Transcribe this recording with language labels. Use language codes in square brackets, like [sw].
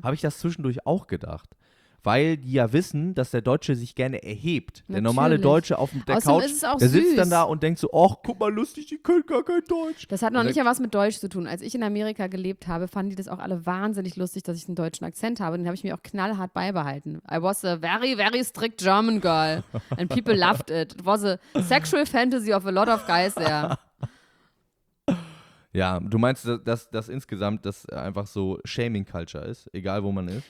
[de] Habe ich das zwischendurch auch gedacht. Weil die ja wissen, dass der Deutsche sich gerne erhebt. Natürlich. Der normale Deutsche auf der Couch, der sitzt dann da und denkt so, ach, guck mal, lustig, die können gar kein Deutsch. Das hat noch nicht mal was mit Deutsch zu tun. Als ich in Amerika gelebt habe, fanden die das auch alle wahnsinnig lustig, dass ich einen deutschen Akzent habe. Den habe ich mir auch knallhart beibehalten. [en] I was a very, very strict German girl. And people loved it. It was a sexual fantasy of a lot of guys there. [de] Ja, du meinst, dass insgesamt das einfach so Shaming Culture ist, egal wo man ist?